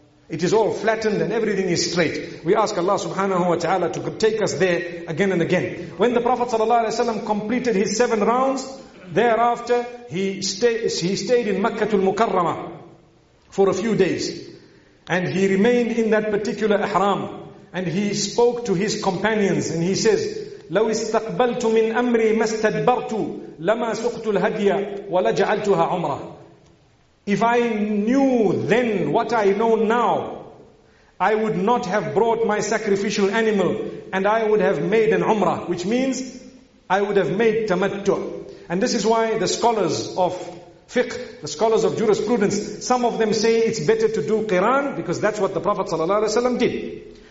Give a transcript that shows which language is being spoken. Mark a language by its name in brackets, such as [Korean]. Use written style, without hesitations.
[English] It is all flattened and everything is straight. We ask Allah subhanahu wa ta'ala to take us there again and again. When the Prophet sallallahu alaihi wasallam completed his seven rounds, thereafter he stayed in Makkatul Mukarramah for a few days. And he remained in that particular ihram. And he spoke to his companions and he says, [Arabic] لَوْ إِسْتَقْبَلْتُ مِنْ أَمْرِي مَسْتَدْبَرْتُ لَمَا سُقْتُ الْهَدْيَ وَلَجَعَلْتُهَا عُمْرَةً. [English] If I knew then what I know now, I would not have brought my sacrificial animal and I would have made an umrah, which means I would have made tamattu. And this is why the scholars of fiqh, the scholars of jurisprudence, some of them say it's better to do qiran because that's what the Prophet sallallahu alaihi wasallam did.